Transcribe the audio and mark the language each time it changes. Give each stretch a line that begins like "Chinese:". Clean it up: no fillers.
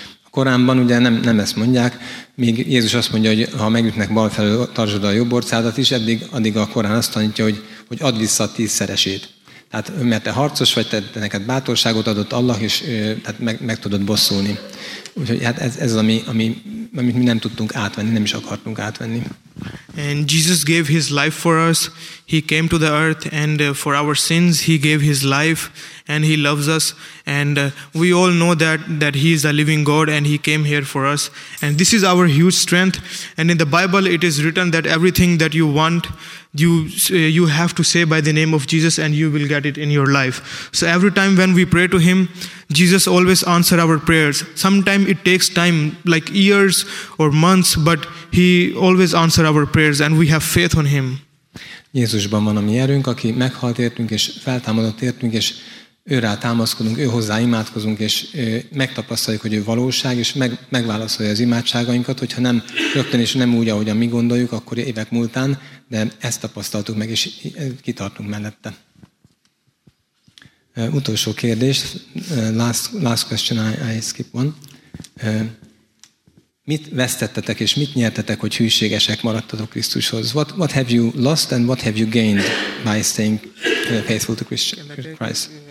Hungarian: A Koránban ugye nem ezt mondják, még Jézus azt mondja, hogy ha megütnek bal felől, tartsod a jobb orcádat is, addig a Korán azt tanítja, hogy add vissza a tízszeresét. Tehát mert te harcos vagy, te neked bátorságot adott Allah, és tehát meg tudod bosszulni. Úgyhogy hát ez az, amit mi nem tudtunk átvenni, nem is akartunk átvenni.
English: And Jesus gave his life for us. He came to the earth and for our sins he gave his life and he loves us. And we all know that he is a living God and he came here for us. And this is our huge strength. And in the Bible it is written that everything that you want, you have to say by the name of Jesus and you will get it in your life. So every time when we pray to him, Jesus always answers our prayers. Sometimes it takes time, like years or months, but he always answers our prayers and we have faith on him.
Hungarian: Jézusban van a mi erőnk, aki meghalt értünk és feltámadott értünk, és őrá támaszkodunk, őhozzá imádkozunk, és megtapasztaljuk, hogy ő valóság, és megválaszolja az imádságainkat, hogyha nem rögtön és nem úgy, ahogy mi gondoljuk, akkor évek múltán, de ezt tapasztaltuk meg, és kitartunk mellette. Utolsó kérdés,
English: last question, I skip one.
Hungarian: Mit vesztettetek és mit nyertetek, hogy hűségesek maradtatok Krisztushoz?
English: What have you lost and what have you gained by staying faithful to Christ?